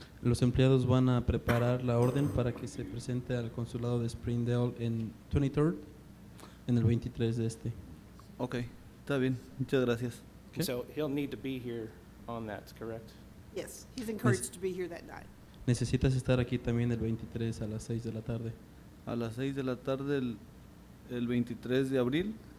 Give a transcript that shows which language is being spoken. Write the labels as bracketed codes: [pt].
[es] Los empleados van a preparar la orden para que se presente al consulado de Springdale en 23rd. en el 23 de este. Okay, está bien. Muchas gracias. [en] Okay. So he'll need to be here on that, correct? Yes, he's encouraged to be here that night. [es] Necesitas estar aquí también el 23 a las 6 de la tarde. A las 6 de la tarde el 23 de abril.